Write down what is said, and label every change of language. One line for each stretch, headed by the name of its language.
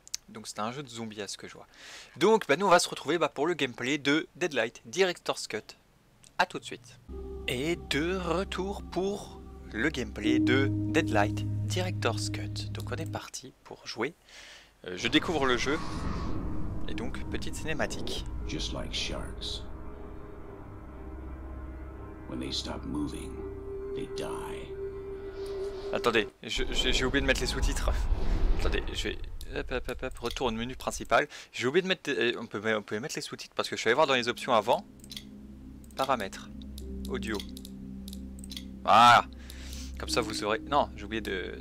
French: Donc c'est un jeu de zombies à ce que je vois. Donc bah, nous on va se retrouver pour le gameplay de Deadlight Director's Cut. A tout de suite. Et de retour pour le gameplay de Deadlight Director's Cut. Donc on est parti pour jouer. Je découvre le jeu. Et donc petite cinématique.
English: Just like sharks. When they stop moving, they die.
French: Attendez, j'ai oublié de mettre les sous-titres. Attendez, je vais... Hop, retour au menu principal. J'ai oublié de mettre... On peut mettre les sous-titres parce que je suis allé voir dans les options avant. Paramètres. Audio. Voilà. Comme ça, vous aurez... Non, j'ai oublié de...